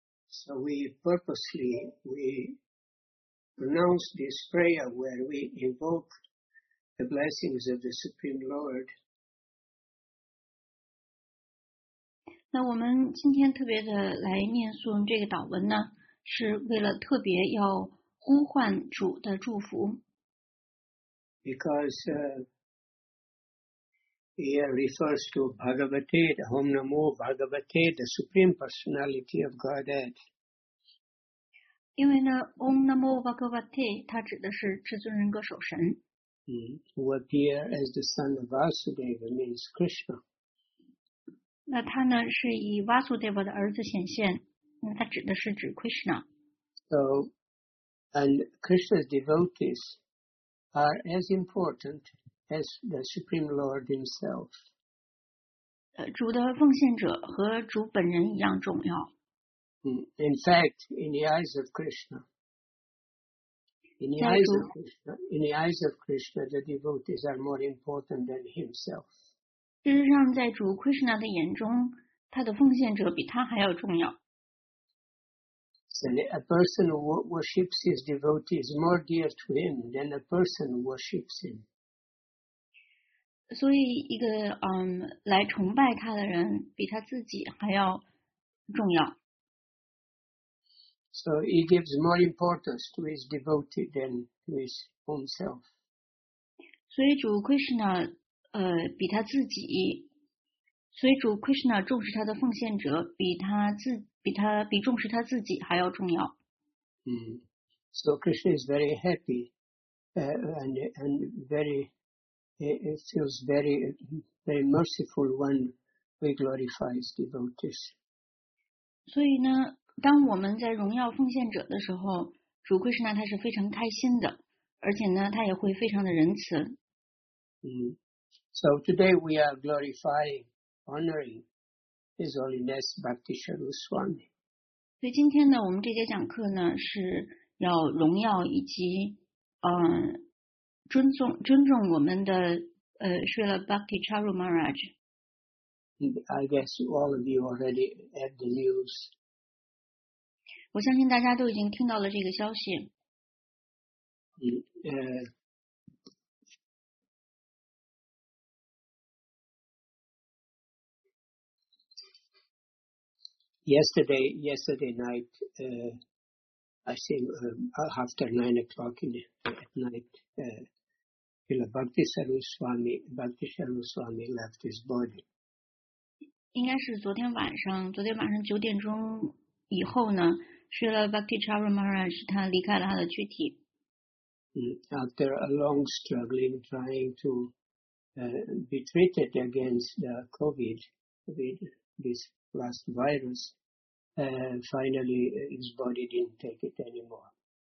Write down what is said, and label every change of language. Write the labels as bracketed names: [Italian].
[English] So we pronounce this prayer where we invoke the blessings of the Supreme Lord. [Chinese] 那我们今天特别的来念诵这个祷文呢，是为了特别要呼唤主的祝福。 [English] Because here refers to Bhagavate, the Om Namo Bhagavate, the Supreme Personality of Godhead. [Chinese] 因为呢 ，Om Namo Bhagavate， 它指的是至尊人格守神。 [English] Who appear as the son of Vasudeva means Krishna。 [Chinese] 那他呢是以 Vasudeva 的儿子显现，那他指的是指 Krishna。 [English] So, and Krishna's devotees are as important as the Supreme Lord Himself。 [Chinese] 主的奉献者和主本人一样重要。 [English] In fact, in the eyes of Krishna, the devotees are more important than himself. [Chinese] 事实上，在主 Krishna 的眼中，他的奉献者比他还要重要。 [English] So a person who worships his devotee is more dear to him than a person who worships him. [Chinese] 所以，一个来崇拜他的人比他自己还要重要。 [English] So he gives more importance to his devotee than to his own self. [Chinese] 所以主 Krishna 比他自己，所以主 Krishna 重视他的奉献者比重视他自己还要重要。 [English] So Krishna is very happy and very feels very very merciful when we glorify his devotees. [Chinese] 所以呢？当我们在荣耀奉献者的时候，主 Krishna 他是非常开心的，而且呢，他也会非常的仁慈。 [English] So today we are glorifying, honoring His Holiness Bhakti Sharu Swami. [Chinese] 所以今天呢，我们这节讲课呢是要荣耀以及尊重我们的Srila Bhakti Charu Maharaj. [English] I guess all of you already had the news. [Chinese] 我相信大家都已经听到了这个消息。 [English] Yesterday night, I think after 9 o'clock at night, Bhakti Sarva Swami left his body. [Chinese] 应该是昨天晚上，9点钟以后呢。是了 Bhakti Charu Maharaj 他离开了他的躯体。 [English] After a long struggling trying to be treated against the COVID with this last virus, finally his body didn't take it anymore.